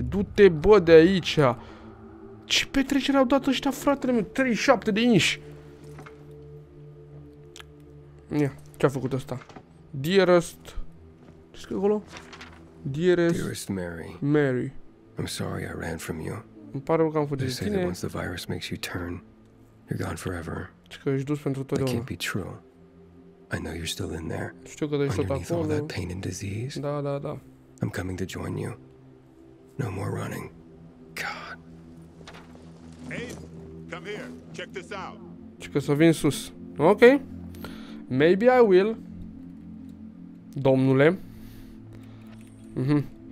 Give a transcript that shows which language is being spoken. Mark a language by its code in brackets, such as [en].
[ro] Du-te, bă, de aici. Ce petrecere au dat ăștia, fratele meu? 37 de inși. Ia, ce-a făcut ăsta? Dearest... Ce scrie acolo? [en] Dearest Mary. Mary. I'm sorry I ran from you. [ro] Îmi pare rău că am făcut de tine. [en] They say that once the virus makes you turn, you're gone forever. [ro] Ce că ești dus pentru totdeauna. [en] That can't be true. I know you're still in there. [ro] Știu că ești tot acolo. [en] Underneath all that pain and disease. [ro] Da, da, da. [en] I'm coming to join you. No more running. God. Abe, come here. Check this out. [ro] Ce că să vin sus. Ok. [en] Maybe I will. [ro] Domnule. Mhm.